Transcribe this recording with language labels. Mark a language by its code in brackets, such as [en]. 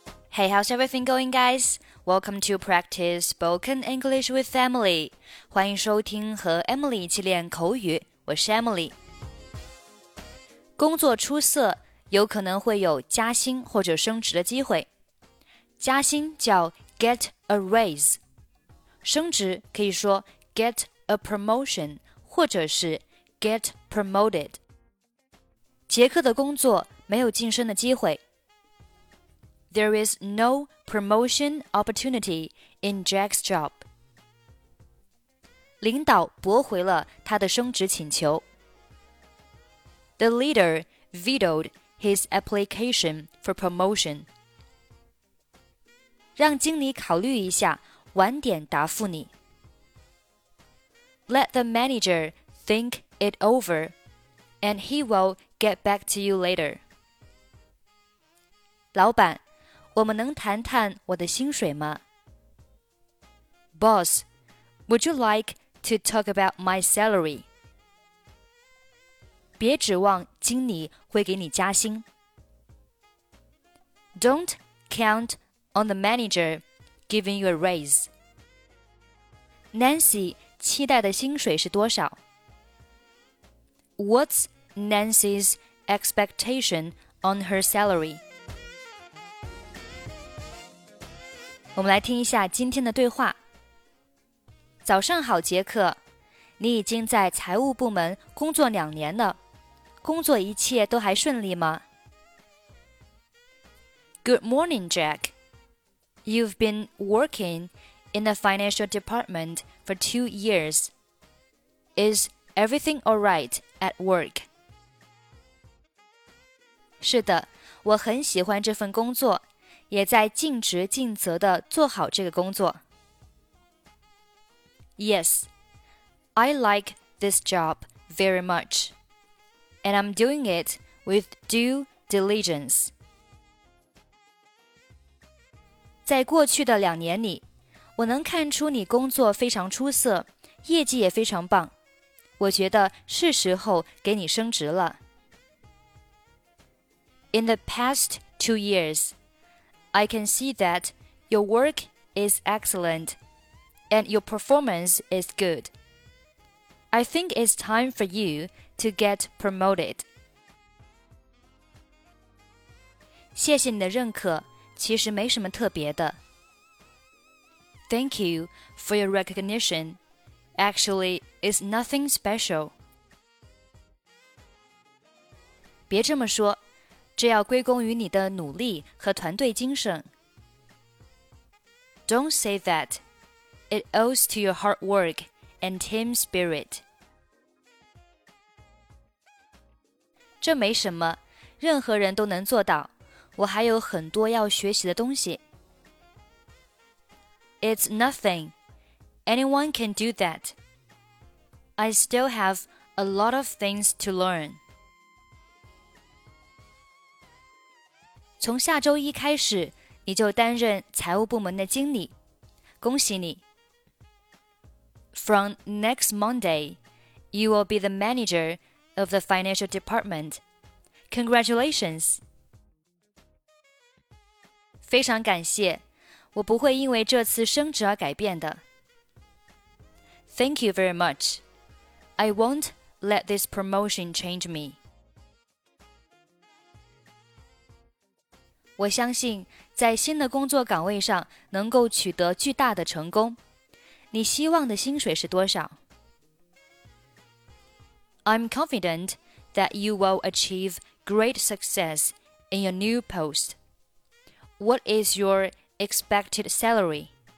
[en] Hey, how's everything going, guys? Welcome to Practice Spoken English with Emily. [zh] 欢迎收听和 Emily 一起练口语。我是 Emily。工作出色，有可能会有加薪或者升职的机会。加薪叫 [en] get a raise。 [zh] 升职可以说 [en] get a promotion [zh] 或者是 [en] get promoted。 [zh] 杰克的工作没有晋升的机会。 [en] There is no promotion opportunity in Jack's job. [zh] 领导驳回了他的升职请求。 [en] The leader vetoed his application for promotion. [zh] 让经理考虑一下，晚点答复你。 [en] Let the manager think it over, and he will get back to you later. [zh] 老板我们能谈谈我的薪水吗? [en] Boss, would you like to talk about my salary? [zh] 别指望经理会给你加薪。 [en] Don't count on the manager giving you a raise. [zh] Nancy 期待的薪水是多少? [en] What's Nancy's expectation on her salary? [zh] 我们来听一下今天的对话。早上好，杰克，你已经在财务部门工作两年了，工作一切都还顺利吗 [en] ？Good morning, Jack. You've been working in the financial department for 2 years. Is everything all right at work? [zh] 是的，我很喜欢这份工作。也在尽职尽责地做好这个工作。 [en] Yes, I like this job very much, and I'm doing it with due diligence. [zh] 在过去的两年里，我能看出你工作非常出色，业绩也非常棒。我觉得是时候给你升职了。 [en] In the past 2 years,I can see that your work is excellent and your performance is good. I think it's time for you to get promoted. [zh] 谢谢你的认可，其实没什么特别的。 [en] Thank you for your recognition. Actually, it's nothing special. [zh] 别这么说。这要归功于你的努力和团队精神。 [en] Don't say that. It owes to your hard work and team spirit. [zh] 这没什么，任何人都能做到。我还有很多要学习的东西。 [en] It's nothing. Anyone can do that. I still have a lot of things to learn. [zh] 从下周一开始，你就担任财务部门的经理，恭喜你。 [en] From next Monday, you will be the manager of the financial department. Congratulations! [zh] 非常感谢，我不会因为这次升职而改变的。 [en] Thank you very much. I won't let this promotion change me. [zh] 我相信在新的工作岗位上能够取得巨大的成功。你希望的薪水是多少? [en] I'm confident that you will achieve great success in your new post. What is your expected salary?